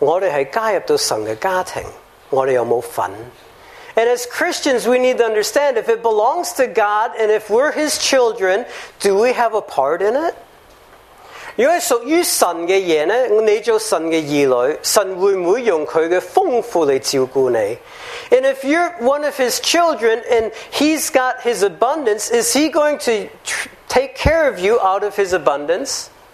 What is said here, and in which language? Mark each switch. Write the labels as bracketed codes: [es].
[zh] 我们要明白,身为基督徒,属于神的东西,我们是加入到神的家庭,我们有没有份? [en] And as Christians, we need to understand, if it belongs to God, and if we're his children, do we have a part in it? [zh] 因为属于神的东西,你做神的儿女,神会不会用他的丰富来照顾你? [en] And if you're one of his children, and he's got his abundance, is he going to take care of you out of his abundance?